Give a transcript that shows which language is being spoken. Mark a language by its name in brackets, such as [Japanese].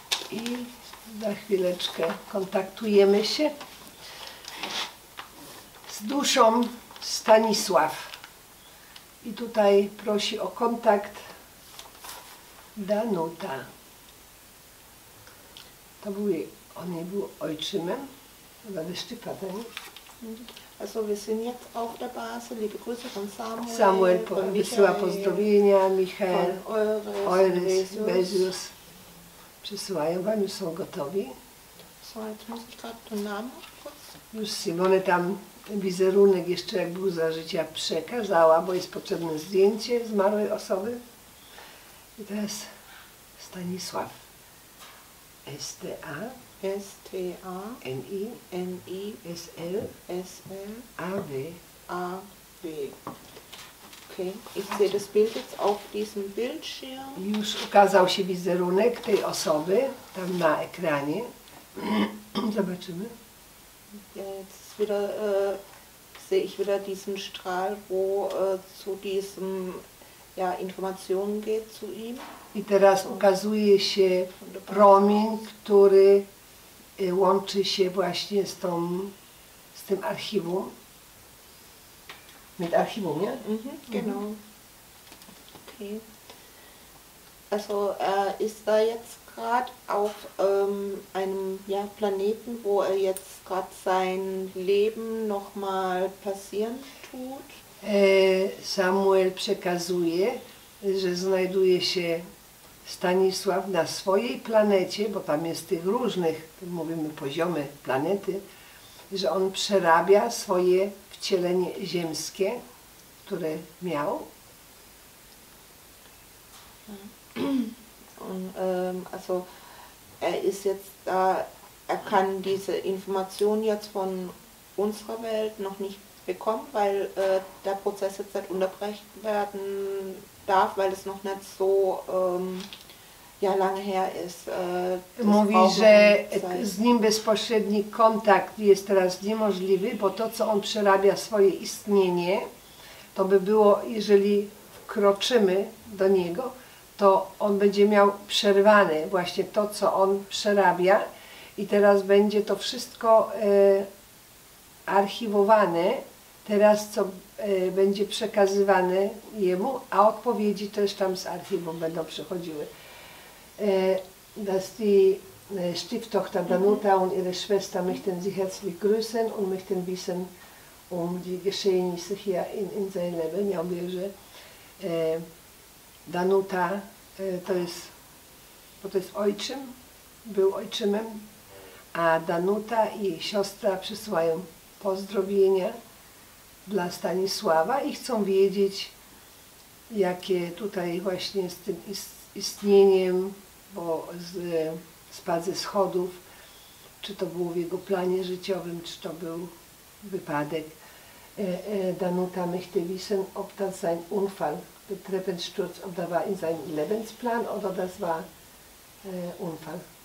[Polish] I za chwileczkę kontaktujemy się z duszą Stanisław. I tutaj prosi o kontakt Danuta. To był jej, on nie był ojczymem, ale Stefan. [German] Also wir sind jetzt auf der Basis. Liebe Grüße von Samuel. [Polish] Samuel wysyła pozdrowienia, Michael, Eures, Bezius. Przysyłają wam, już są gotowi. [German] So, jetzt muss ich gerade den Namen kurz. [Polish] Już Simone tam. Ten wizerunek jeszcze jak był za życia przekazała, bo jest potrzebne zdjęcie zmarłej osoby. I teraz Stanisław. S-T-A. S-T-A. N-I. N-I. S-L. S-L. A-W. A-W. Okay. [German] Ich sehe das Bild jetzt auf diesem Bildschirm. [Polish] Już ukazał się wizerunek tej osoby tam na ekranie. Zobaczymy. [German] Jetzt. Wieder sehe ich wieder diesen Strahl, wo zu diesem ja, Informationen geht zu ihm. [Polish] I teraz ukazuje się promień, który łączy się właśnie z tą, z tym archiwum. Mit archiwum, nie? [German] Genau. Okay. Also ist da jetzt gerade auf einem ja, Planeten, wo er jetzt gerade sein Leben nochmal passieren tut. [Polish] Samuel przekazuje, że znajduje się Stanisław na swojej planecie, bo tam jest tych różnych, mówimy poziomy planety, że on przerabia swoje wcielenie ziemskie, które miał. [German] Und also er ist jetzt da, er kann diese Information jetzt von unserer Welt noch nicht bekommen, weil der Prozess jetzt nicht unterbrechen werden darf, weil es noch nicht so ja, lange her ist. [Polish] Mówi, że z nim bezpośredni kontakt jest teraz niemożliwy, bo to, co on przerabia swoje istnienie, to by było, jeżeli wkroczymy do niego, to on będzie miał przerwane właśnie to, co on przerabia i teraz będzie to wszystko archiwowane, teraz co będzie przekazywane jemu, a odpowiedzi też tam z archiwum będą przychodziły. [German] Dass die Stieftochter Danuta und ihre Schwester möchten sie herzlich grüßen und möchten wissen die Geschehnisse hier in seinem Leben. [Polish] Ja wierzę, Danuta to jest, bo to jest ojczym, był ojczymem, a Danuta i jej siostra przysyłają pozdrowienia dla Stanisława i chcą wiedzieć, jakie tutaj właśnie z tym istnieniem, bo spadł ze schodów, czy to było w jego planie życiowym, czy to był wypadek. [German] Danuta möchte wissen, ob das sein Unfall, der Treppensturz, ob das war in seinem Lebensplan oder das war Unfall.